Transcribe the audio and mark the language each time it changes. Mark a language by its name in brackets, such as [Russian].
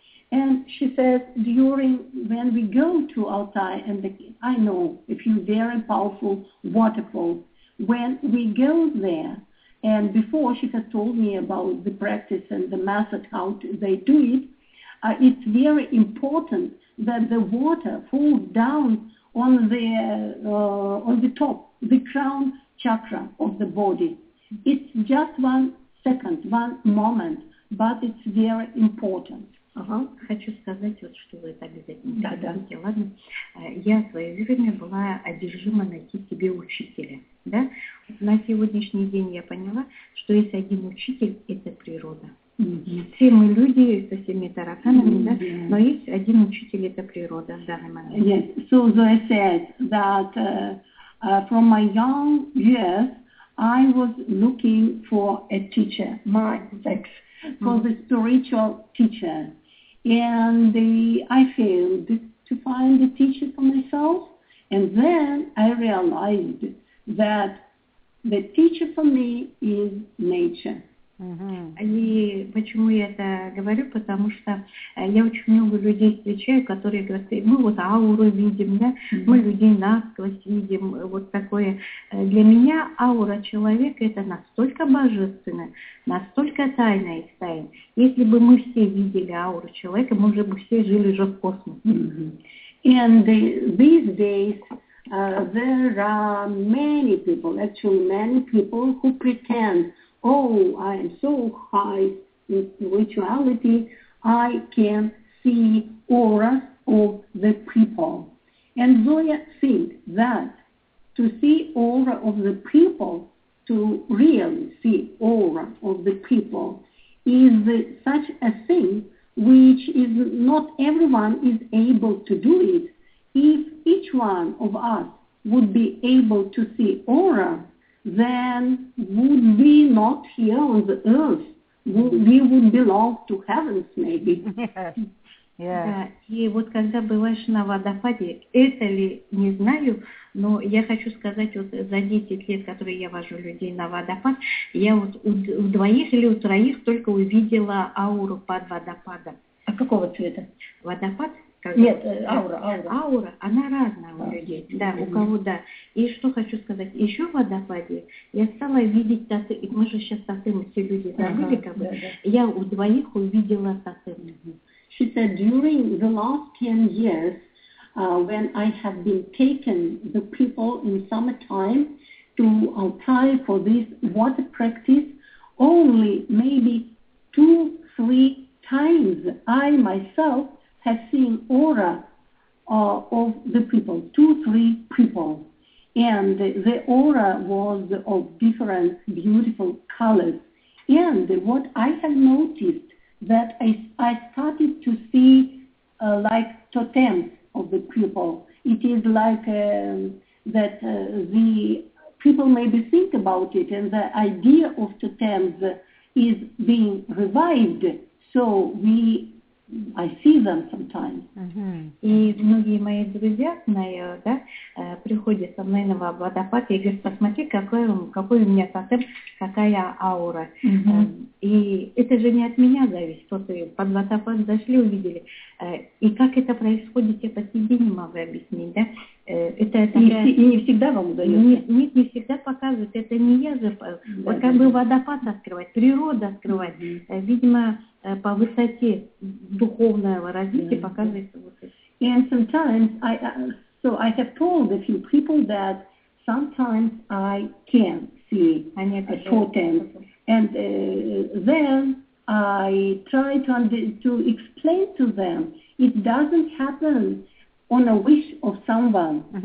[English] And she says, during when we go to Altai, and I know a few very powerful waterfalls, when we go there, and before she has told me about the practice and the method, how they do it, it's very important that the water falls down on the top, the crown chakra of the body. It's just 1 second, 1 moment, but it's very important. [Russian] Ага, хочу сказать, вот, что вы это обязательно делаете, ладно? Я в свое время была одержима найти себе учителя, да? На сегодняшний день я поняла, что есть один учитель – это природа. Все мы люди со всеми тараканами, да? Но есть один учитель – это природа в данный момент. [English] Yes, so Zoe said that from my young years, I was looking for a teacher, my sex, for the spiritual teacher. And I failed to find a teacher for myself. And then I realized that the teacher for me is nature. [Russian] И почему я это говорю? Потому что я очень много людей встречаю, которые говорят, мы вот ауру видим, да? Мы людей насквозь видим, вот такое. Для меня аура человека – это настолько божественная, настолько тайная история. Если бы мы все видели ауру человека, мы уже бы все жили уже в космосе. [English] And these days, there are many people, actually many people who pretend, oh, I am so high in spirituality, I can see aura of the people. And Zoya thinks that to see aura of the people, to really see aura of the people, is such a thing which is not everyone is able to do it. If each one of us would be able to see aura, then would we not here on the earth? We would belong to heavens, maybe. Yes. Yes. [Russian] Да. И вот когда бываешь на водопаде, это ли не знаю, но я хочу сказать, вот за 10 лет, которые я вожу людей на водопад, я вот у двоих или у троих только увидела ауру под водопадом. А какого цвета? Водопад. Нет, аура. Аура, она разная у людей, да, у кого, да. И что хочу сказать, еще в водопаде я стала видеть тотемы, мы же сейчас тотемы все люди забыли, как бы, я у двоих увидела тотемы. [English] She said, during the last 10 years, when I have been taking the people in summertime to Altai for this water practice, only maybe 2-3 times I myself have seen aura of the people, 2-3 people. And the aura was of different beautiful colors. And what I have noticed that I started to see like totems of the people. It is like that the people maybe think about it, and the idea of totems is being revived. So I see them sometimes. [Russian] И многие мои друзья знаю, да, приходят со мной на водопад и говорят, посмотри, какой у меня тотем, какая аура. И это же не от меня зависит, что ты под водопад зашли, увидели. И как это происходит, я по себе не могу объяснить, да? Это не всегда вам удается. Нет, не всегда показывают. Это не я же, бы водопад открывать, природа открывать. Видимо, по высоте духовного развития показывает вот это. [English] And sometimes I have told a few people that sometimes I can see a totem. And then I try to explain to them it doesn't happen on a wish of someone.